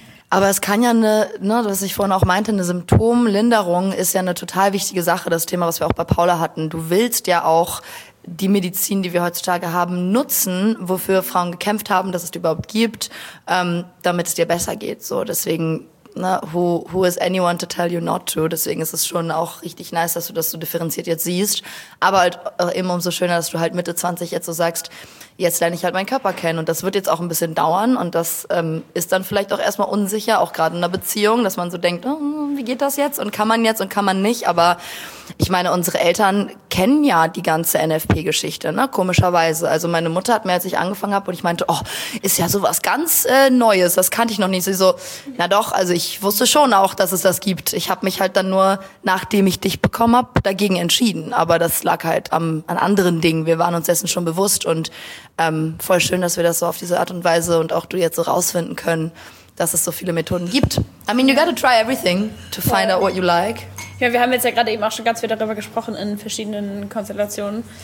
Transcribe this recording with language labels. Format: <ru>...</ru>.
<de>Aber es kann ja was ich vorhin auch meinte, eine Symptomlinderung ist ja eine total wichtige Sache, das Thema, was wir auch bei Paula hatten. Du willst ja auch die Medizin, die wir heutzutage haben, nutzen, wofür Frauen gekämpft haben, dass es die überhaupt gibt, damit es dir besser geht. So, deswegen, ne,</de> <en>who is anyone to tell you not to?</en> <de>Deswegen ist es schon auch richtig nice, dass du das so differenziert jetzt siehst. Aber halt eben umso schöner, dass du halt Mitte 20 jetzt so sagst, jetzt lerne ich halt meinen Körper kennen. Und das wird jetzt auch ein bisschen dauern. Und das ist dann vielleicht auch erstmal unsicher, auch gerade in einer Beziehung, dass man so denkt, wie geht das jetzt? Und kann man jetzt und kann man nicht? Aber ich meine, unsere Eltern kennen ja die ganze NFP-Geschichte, ne? Komischerweise. Also meine Mutter hat mir, als ich angefangen habe, und ich meinte, oh, ist ja sowas ganz Neues. Das kannte ich noch nicht. Sie so, na doch, also ich wusste schon auch, dass es das gibt. Ich habe mich halt dann nur, nachdem ich dich bekommen habe, dagegen entschieden. Aber das lag halt an anderen Dingen. Wir waren uns dessen schon bewusst. Und voll schön, dass wir das so auf diese Art und Weise und auch du jetzt so rausfinden können, dass es so viele Methoden gibt.</de> <en>I mean, you gotta try everything to find out what you like.</en> <de>Ja, wir haben jetzt ja gerade eben auch schon ganz viel darüber gesprochen in verschiedenen Konstellationen.</de>